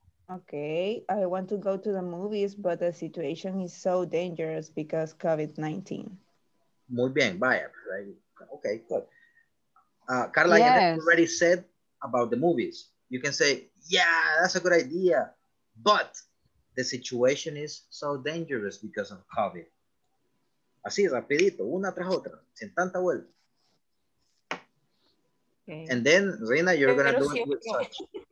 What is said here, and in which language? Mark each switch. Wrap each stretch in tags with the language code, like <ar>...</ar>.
<en>Okay, I want to go to the movies, but the situation is so dangerous because COVID-19.</en> <es>Muy bien, vaya.</es> <en>Okay, good. Carla, yes. You already said about the movies. You can say, yeah, that's a good idea, but the situation is so dangerous because of COVID.</en> <es>Así, rapidito, una tras otra, sin tanta vuelta.</es> <en>Okay. And then, Reina, you're going to do it with such.</en>